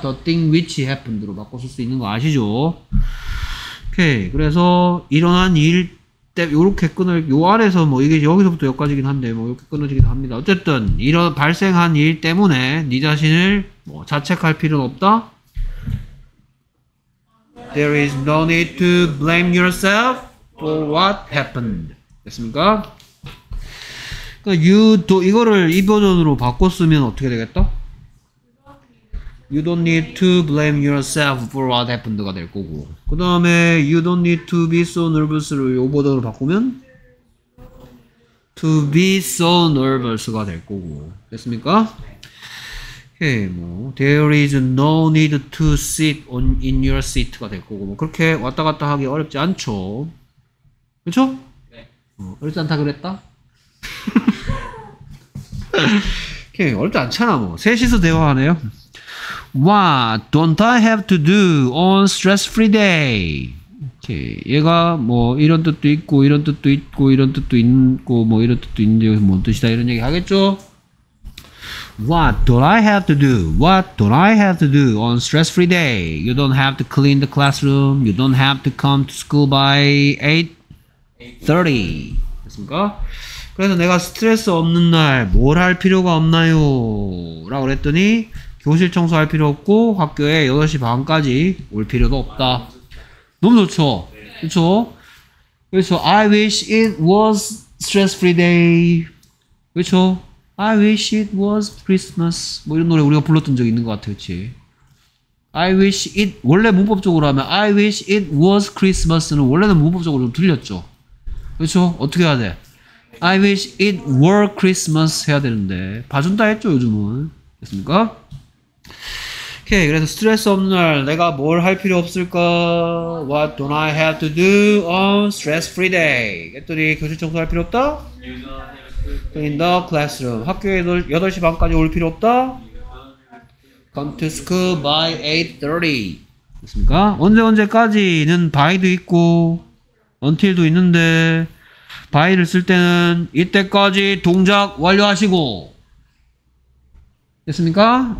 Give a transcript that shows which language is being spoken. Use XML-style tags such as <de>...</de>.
<en>the thing which happened</en> <ko>로 바꿔 쓸 수 있는 거 아시죠? 오케이. 그래서 일어난 일 때 요렇게 끊을 요 안에서 뭐 이게 여기서부터 여기까지긴 한데 뭐 이렇게 끊어지기도 합니다. 어쨌든 이런 발생한 일 때문에 네 자신을 뭐 자책할 필요는 없다.</ko> <en>There is no need to blame yourself for what happened.</en> <ko>됐습니까? 그러니까</ko> <en>you do</en> <ko>이거를 이 버전으로 바꿨으면 어떻게 되겠다?</ko> <en>You don't need to blame yourself for what happened가 될 거고. 그 다음에 you don't need to be so nervous를</en> <ko>이 버전으로 바꾸면</ko> <en>to be so nervous가</en> <ko>될 거고. 됐습니까?</ko> <en>오케이, 뭐 there is no need to sit on in your seat가</en> <ko>될 거고. 뭐 그렇게 왔다 갔다 하기 어렵지 않죠. 그렇죠? 어렵지 않다 그랬다? 오케이, 어렵지 않잖아 뭐. 셋이서 대화하네요.</ko> <en>What don't I have to do on stress-free day?</en> <ko>오케이, 얘가 뭐 이런 뜻도 있고 이런 뜻도 있고 이런 뜻도 있고 뭐 이런 뜻도 있는데 여기서 뭔 뜻이다 이런 얘기 하겠죠?</ko> <en>What don't I have to do? What don't I have to do on stress-free day? You don't have to clean the classroom. You don't have to come to school by 8:30.</en> <ko>됐습니까? 그래서 내가 스트레스 없는 날 뭘 할 필요가 없나요? 라고 그랬더니 교실 청소할 필요 없고 학교에 8시 반까지 올 필요도 없다. 너무 좋죠? 그렇죠? 그렇죠?</ko> <en>I wish it was stress-free day.</en> <ko>그렇죠?</ko> <en>I wish it was Christmas.</en> <ko>뭐 이런 노래 우리가 불렀던 적 있는 것 같아요. 그치? I wish it 원래 문법적으로 하면</ko> <en>I wish it was Christmas</en> <ko>는 원래는 문법적으로 좀 틀렸죠. 그렇죠? 어떻게 해야 돼?</ko> <en>I wish it were Christmas</en> <ko>해야 되는데 봐준다 했죠 요즘은. 됐습니까? 오케이, 그래서 스트레스 없는 날 내가 뭘 할 필요 없을까?</ko> <en>What don't I have to do on stress-free day?</en> <ko>했더니 교실 청소할 필요 없다?</ko> <en>In the classroom.</en> <ko>학교에 8시 반까지 올 필요 없다?</ko> <en>Come to school by 8:30.</en> <ko>됐습니까? 언제 언제까지는 by도 있고 until도 있는데 by를 쓸 때는 이때까지 동작 완료하시고 됐습니까?</ko>